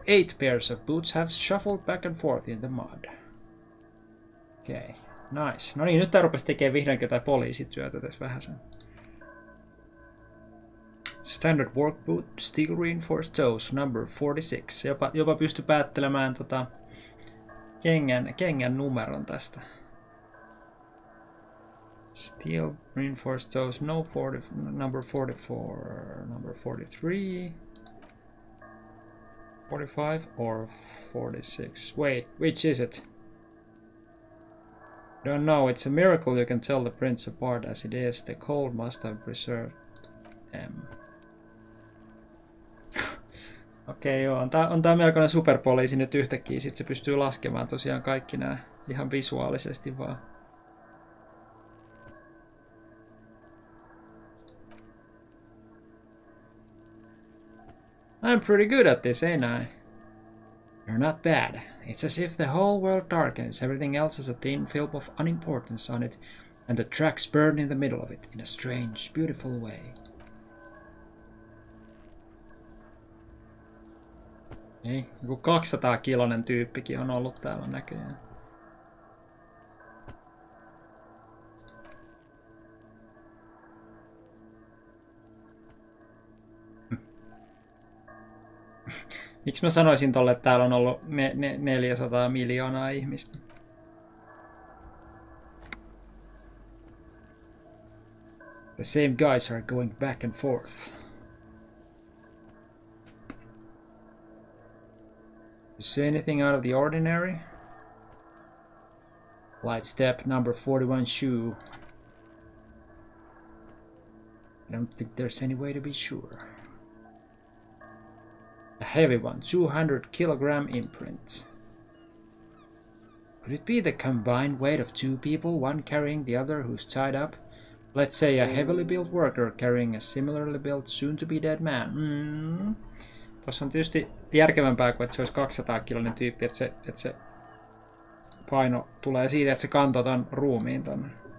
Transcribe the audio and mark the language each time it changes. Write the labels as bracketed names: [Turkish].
[English] 8 pairs of boots have shuffled back and forth in the mud. Okei, okay. Nice. [Finnish] No niin, nyt tää rupes tekemään vihdoin jotain poliisityötä tässä vähäsen. [English] Standard work boot, steel reinforced toes, number 46. [Finnish] Jopa pysty päättelemään tota kengän numeron tästä. [English] Steel reinforced toes, no 40, number 44, number 43. 45 or 46? Wait, which is it? Don't know, it's a miracle you can tell the prints apart as it is. The cold must have preserved them. [Finnish] Okei, okay, joo, on tää melkoinen superpoliisi nyt yhtäkkiä. Sit se pystyy laskemaan tosiaan kaikki nää ihan visuaalisesti vaan. [English] I'm pretty good at this, ain't I? You're not bad. It's as if the whole world darkens, everything else has a thin film of unimportance on it, and the tracks burn in the middle of it in a strange, beautiful way. [Finnish] Ei, joku 200-kiloinen tyyppikin on ollut täällä näköjään. Miksi mä sanoisin tolle, että täällä on ollut 400 miljoonaa ihmistä? [English] The same guys are going back and forth. You see anything out of the ordinary? Light step number 41 shoe. I don't think there's any way to be sure. A heavy one, 200 kilogram imprint. Could it be the combined weight of two people, one carrying the other who's tied up? Let's say a heavily built worker carrying a similarly built, soon to be dead man. [Finnish] Tuossa on tietysti järkevämpää kuin, että se olisi 200-kiloinen tyyppi, että se paino tulee siitä, että se kantoi tämän ruumiin tuonne.